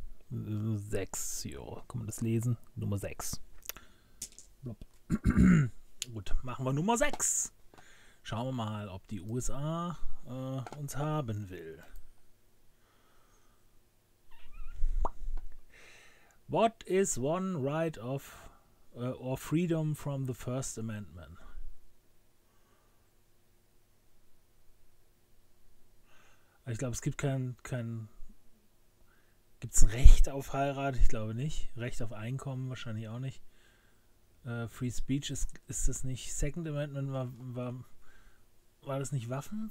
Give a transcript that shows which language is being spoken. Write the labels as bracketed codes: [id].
[de] 6, ja, kann man das lesen? Nummer 6. Gut, machen wir Nummer 6. Schauen wir mal, ob die USA uns haben will. [en] What is one right of or freedom from the First Amendment? [de] Ich glaube, es gibt kein gibt's ein Recht auf Heirat? Ich glaube nicht. Recht auf Einkommen wahrscheinlich auch nicht. Free Speech ist das nicht. Second Amendment war das nicht Waffen?